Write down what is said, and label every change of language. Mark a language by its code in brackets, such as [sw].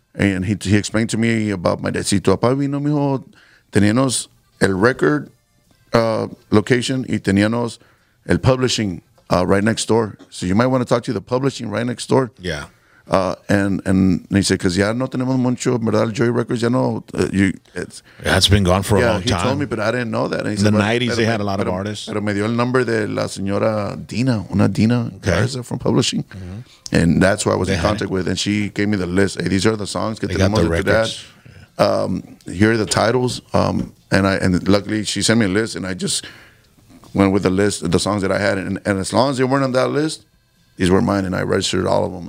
[en] And he explained to me about my dad. [es] Si tu papá vino, mijo, teníamos el [en] record location [es] y teníamos el [en] publishing right next door. So you might want to talk to the publishing right next door. Yeah. And he said, because [es] ya no tenemos mucho, ¿verdad? Joy Records, ya no. [en] It's been gone for a long time. Yeah, he told me, but I didn't know that. In the 90s, they had a lot of artists. [es] Pero me dio el nombre de la señora Dina, una Dina Garza [en] from publishing. Mm-hmm. And that's who I was in contact with. And she gave me the list. Hey, these are the songs. They got the records. Here are the titles. And luckily, she sent me a list, and I just went with the list, the songs that I had. And as long as they weren't on that list, these were mine, and I registered all of them.